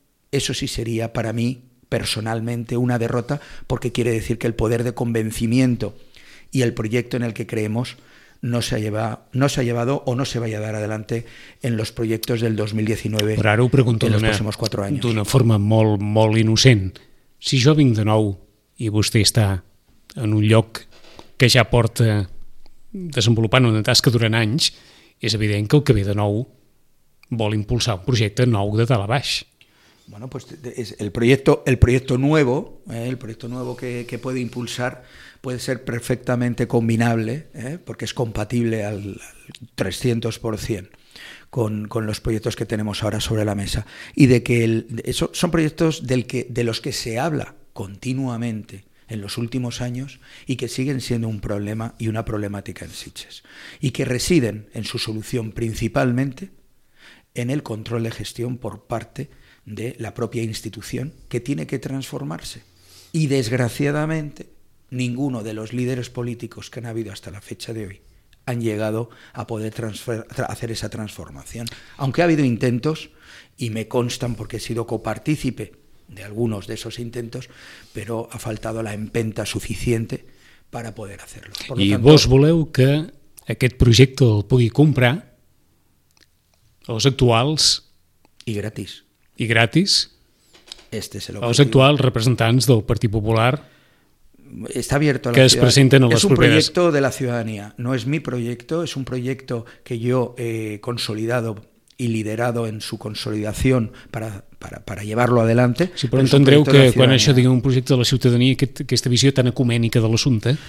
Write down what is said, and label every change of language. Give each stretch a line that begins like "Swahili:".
Spanish: Eso sí sería para mí personalmente una derrota, porque quiere decir que el poder de convencimiento y el proyecto en el que creemos no se ha llevado o no se va a llevar adelante en los proyectos del 2019.
Catalan: Però ara ho pregunto
Spanish: en los próximos 4 años.
Catalan: D'una forma molt, molt innocent. Si jo vinc de nou i vostè està en un lloc que ja porta desenvolupant una tasca durant anys, és evident que el que ve de nou vol impulsar un projecte nou de dalt a baix.
Spanish: Bueno, pues es el proyecto nuevo que puede impulsar puede ser perfectamente combinable, porque es compatible al 300%. con los proyectos que tenemos ahora sobre la mesa. Y de que son proyectos de los que se habla continuamente en los últimos años y que siguen siendo un problema y una problemática en Sitges. Y que residen en su solución principalmente en el control de gestión por parte de la propia institución, que tiene que transformarse. Y desgraciadamente, ninguno de los líderes políticos que han habido hasta la fecha de hoy han llegado a poder hacer esa transformación. Aunque ha habido intentos, y me constan porque he sido copartícipe de algunos de esos intentos, pero ha faltado la empenta suficiente para poder hacerlo. Por lo tanto,
Catalan: vos voleu que aquest projecte el pugui comprar els actuals... I gratis. I gratis.
Spanish: Este es el
Catalan: objetivo. Els actuals representants del Partit Popular...
Spanish: Está abierto a la ciudadanía. Es un propiedades. Proyecto de la ciudadanía, no es mi proyecto, es un proyecto que yo he consolidado y liderado en su consolidación para llevarlo adelante.
Catalan: Sí, pero entendreu que quan això digui un projecte de la ciutadania, aquesta visió tan ecumènica de l'assumpte,